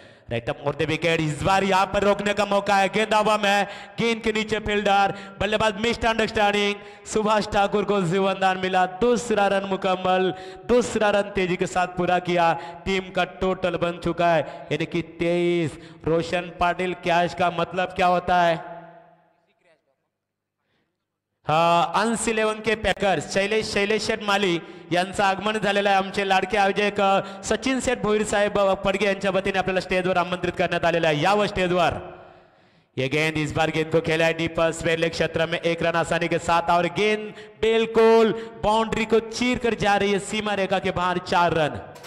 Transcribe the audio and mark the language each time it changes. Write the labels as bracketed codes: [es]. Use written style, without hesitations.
[en] right up more the wicket, [hi] इस बार यहां पर रोकने का मौका है, गेंद हवा में, गेंद के नीचे फील्डर, बल्लेबाज मिस्ड अंडरस्टैंडिंग, सुभाष ठाकुर को जीवनदान मिला, दूसरा रन मुकम्मल, दूसरा रन तेजी के साथ पूरा किया, टीम का टोटल बन चुका है यानी कि 23। रोशन पाटिल, कैश का मतलब क्या होता है? [mr] अंश 11 के पैकर शैलेश शैलेश शेठ माली यांचं आगमन झालेलं आहे, आमचे लाडके आयोजक सचिन शेठ भोईर साहेब पडगे यांच्या वतीने आपल्याला स्टेजवर आमंत्रित करण्यात आलेलं आहे या स्टेजवर। [hi] ये गेंद इस बार गेंद को खेला है डीप स्वेले क्षेत्र में, एक रन आसानी के साथ, और गेंद बिल्कुल बाउंड्री को चीर कर जा रही है सीमा रेखा के बाहर, 4 रन।